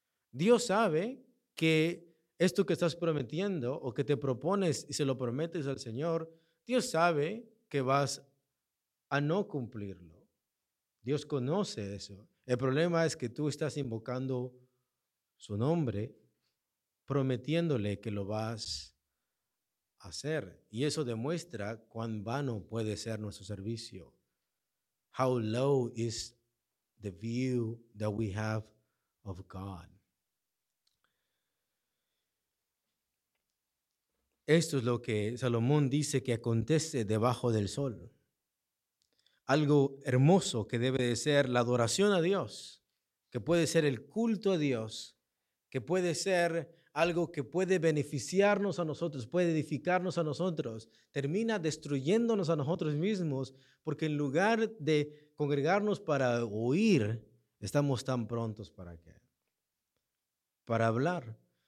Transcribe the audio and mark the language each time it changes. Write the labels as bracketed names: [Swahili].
[Spanish] Dios sabe que esto que estás prometiendo o que te propones y se lo prometes al Señor, Dios sabe que vas a no cumplirlo. Dios conoce eso. El problema es que tú estás invocando su nombre, prometiéndole que lo vas a hacer. Y eso demuestra cuán vano puede ser nuestro servicio. [English] How low is the view that we have of God. [Spanish] Esto es lo que Salomón dice que acontece debajo del sol. Algo hermoso que debe de ser la adoración a Dios, que puede ser el culto a Dios, que puede ser algo que puede beneficiarnos a nosotros, puede edificarnos a nosotros, termina destruyéndonos a nosotros mismos, porque en lugar de congregarnos para oír, estamos tan prontos para qué? Para hablar.